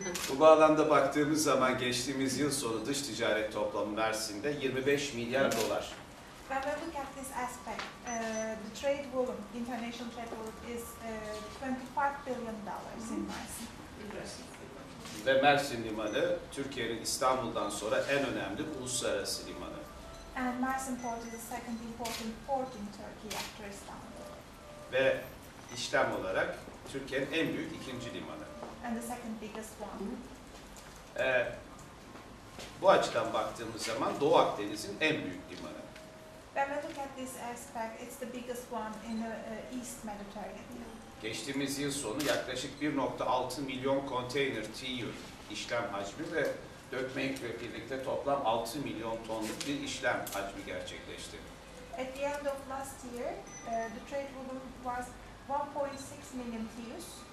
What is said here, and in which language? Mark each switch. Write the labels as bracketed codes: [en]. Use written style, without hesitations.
[tr] Bu bağlamda baktığımız zaman geçtiğimiz yıl sonu dış ticaret toplamı Mersin'de 25 milyar dolar. [en] When we look at this aspect, the trade volume, international trade volume is $25 billion in Mersin. [tr] Ve Mersin Limanı Türkiye'nin İstanbul'dan sonra en önemli uluslararası limanı. [en] And Mersin Port is the second important port in Turkey after Istanbul. [tr] Ve işlem olarak Türkiye'nin en büyük ikinci limanı. [en] And the second biggest one. [tr] Bu açıdan baktığımız zaman Doğu Akdeniz'in en büyük limanı. [en] When we look at this aspect, it's the biggest one in the East Mediterranean. [tr] Geçtiğimiz yıl sonu yaklaşık 1.6 milyon konteyner TEU işlem hacmi ve dökmekle birlikte toplam 6 milyon tonluk bir işlem hacmi gerçekleşti. [en] At the end of last year, the trade volume was 1.6 milyon TEUs.